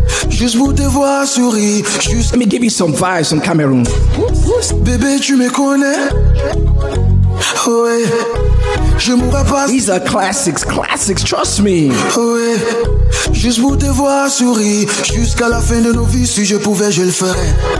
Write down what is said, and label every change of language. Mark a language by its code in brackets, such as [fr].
[fr] Juste pour te voir sourire. [en] Let me give you some vibes from Cameroon. [fr] Bébé, tu me connais. Oh, ouais. Je mourrai pas. [en] These are classics, classics, trust me. [fr] Oh, ouais. Juste pour te voir sourire. Jusqu'à la fin de nos vies, si je pouvais, je le ferais.